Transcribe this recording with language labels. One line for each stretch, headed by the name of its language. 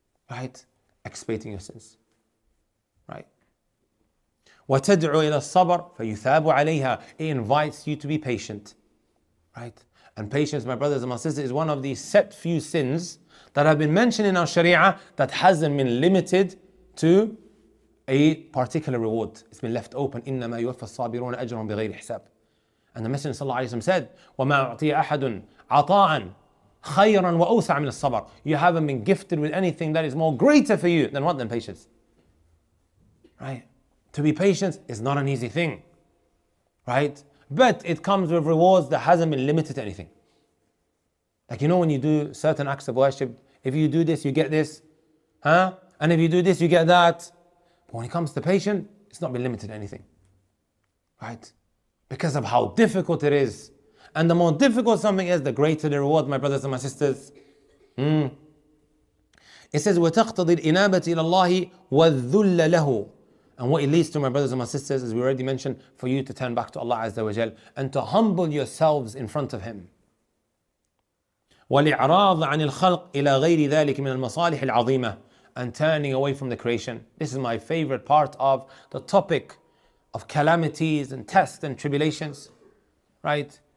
English: Right? Expiating your sins. Right?
Arabic: وَتَدْعُوا إِلَى الصَّبَرِ فَيُثَابُ عَلَيْهَا.
English: It invites you to be patient. Right? And patience, my brothers and my sisters, is one of these set few sins that have been mentioned in our Sharia that hasn't been limited to a particular reward. It's been left open.
Arabic: إِنَّمَا يُوَفَّى الصَّابِرُونَ أَجْرًا بِغَيْرِ حِسَابٍ.
English: And the Messenger
Arabic: صلى الله عليه وسلم
English: said,
Arabic: وَمَا أُعْطِيَ أَحَدٌ عَطَاءً خَيْرًا وَأُوسَعَ مِنَ الصَّبَرِ.
English: You haven't been gifted with anything that is more greater for you than what? Than patience. Right? To be patient is not an easy thing. Right? But it comes with rewards that hasn't been limited to anything. Like, you know, when you do certain acts of worship, if you do this, you get this. Huh? And if you do this, you get that. But when it comes to patience, it's not been limited to anything. Right? Because of how difficult it is. And the more difficult something is, the greater the reward, my brothers and my sisters. It says,
Arabic: وَتَقْتَضِي الْإِنَابَةِ إِلَى اللَّهِ وَالذُّلَّ لَهُ.
English: And what it leads to, my brothers and my sisters, as we already mentioned, for you to turn back to Allah Azza wa Jal and to humble yourselves in front of Him.
Arabic: وَالْإِعْرَاضَ عَنِ الْخَلْقِ إِلَى غَيْرِ ذَلِكِ مِنَ الْمَصَالِحِ الْعَظِيمَةِ.
English: And turning away from the creation. This is my favorite part of the topic of calamities and tests and tribulations. Right?